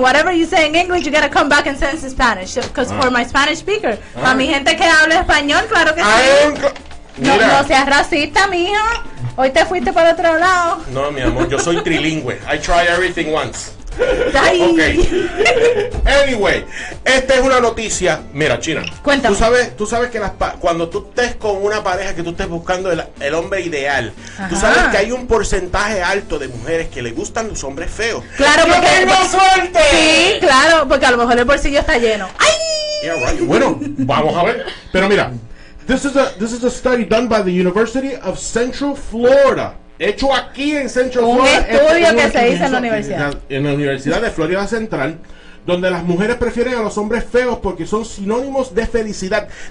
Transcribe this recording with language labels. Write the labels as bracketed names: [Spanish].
[English] Whatever you say in English, you gotta come back and say it in Spanish. Because for my Spanish speaker. [Spanish] Para mi gente que habla español, claro que sí. No seas racista, mijo. Hoy te fuiste para otro lado. No, mi amor, yo soy trilingüe. [English] I try everything once. Day. Ok. Anyway, [Spanish] esta es una noticia. Mira, China. Cuéntame. Tú sabes que cuando tú estés con una pareja que tú estés buscando el hombre ideal, ajá, tú sabes que hay un porcentaje alto de mujeres que le gustan los hombres feos. Claro, porque ¡yo tengo suerte! Sí, claro, porque a lo mejor el bolsillo está lleno. ¡Ay! [English] Yeah, right. [Spanish] Bueno, vamos a ver. Pero mira. [English] This is a study done by the University of Central Florida. [Spanish] Hecho aquí en Central Florida. Un estudio que se hizo en la universidad. En la Universidad de Florida Central, donde las mujeres prefieren a los hombres feos porque son sinónimos de felicidad.